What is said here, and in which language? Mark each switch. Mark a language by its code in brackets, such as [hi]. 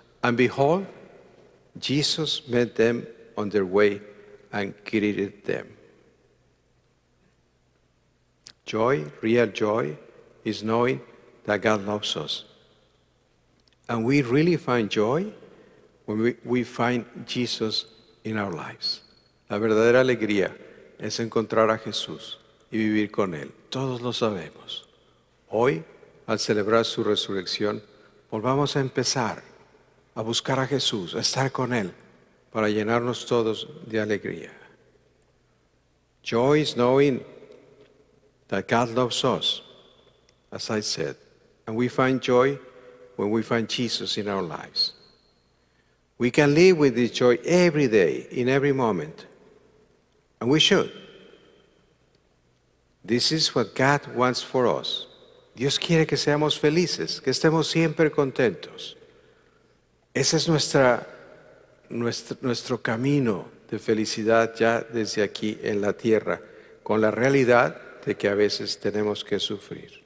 [en] And behold, Jesus met them on their way and greeted them. Joy, real joy, is knowing that God loves us. And we really find joy when we find Jesus in our lives. [es] La verdadera alegría es encontrar a Jesús y vivir con Él. Todos lo sabemos. Hoy, al celebrar su resurrección, volvamos a empezar a buscar a Jesús, a estar con Él, para llenarnos todos de alegría. [en] Joy is knowing that God loves us, as I said, and we find joy when we find Jesus in our lives. We can live with this joy every day, in every moment, and we should. This is what God wants for us. [es] Dios quiere que seamos felices, que estemos siempre contentos. Ese es nuestro camino de felicidad ya desde aquí en la tierra, con la realidad de que a veces tenemos que sufrir.